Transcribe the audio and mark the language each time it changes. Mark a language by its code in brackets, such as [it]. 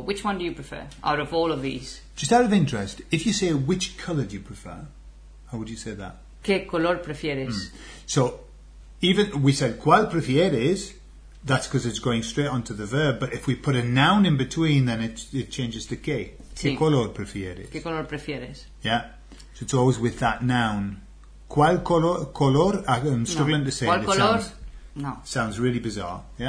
[en] Which one do you prefer out of all of these? Just out of interest, if you say which color do you prefer, how would you say that? [es] ¿Qué color prefieres? Mm. [en] So, even we said ¿cuál prefieres? That's because it's going straight onto the verb. But if we put a noun in between, then it changes to ¿qué? Sí. ¿Qué color prefieres? [es] ¿Qué color prefieres? [en] Yeah. So it's always with that noun. ¿Cuál color? I'm struggling to say. [es] ¿Cuál color? No. [en] Sounds really bizarre. Yeah?